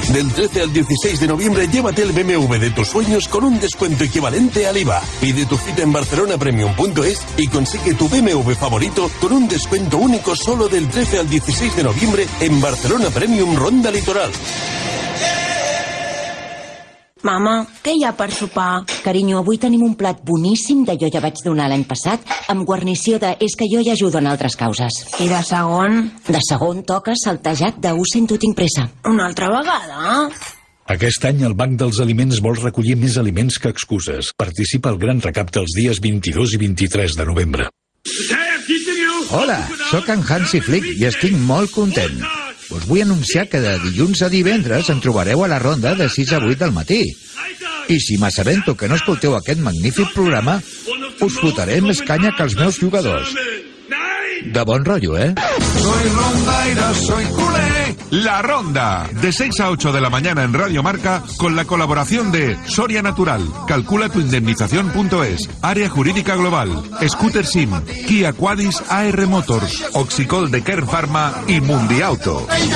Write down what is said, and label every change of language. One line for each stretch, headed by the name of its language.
Spanish: Del 13 al 16 de noviembre llévate el BMW de tus sueños con un descuento equivalente al IVA. Pide tu cita en barcelonapremium.es y consigue tu BMW favorito con un descuento único solo del 13 al 16 de noviembre en Barcelona Premium Ronda Litoral.
Catalan: Mama, què hi ha per sopar? Carinyo, avui tenim un plat boníssim d'allò que ja vaig donar l'any passat amb guarnició de és que jo hi ajudo en altres causes. I de segon? De segon toca saltejat de ho sento, tinc pressa. Una altra vegada? Aquest any el Banc dels Aliments vol recollir més aliments que excuses. Participa al Gran Recapte els dies 22 i 23 de novembre. Hola, sóc en Hansi Flick i estic molt content. Us vull anunciar que de dilluns a divendres en trobareu a la ronda de 6 a 8 del matí. I si m'assabento que no escolteu aquest magnífic programa, us fotré més canya que els meus jugadors. De bon rotllo, eh?
Spanish: Soy rondaire, soy culé. La ronda, de 6 a 8 de la mañana en Radio Marca, con la colaboración de Soria Natural, calculatuindemnización.es, Área Jurídica Global, Scooter Sim, Kia Quadis AR Motors, Oxicol de Kern Pharma y Mundiauto.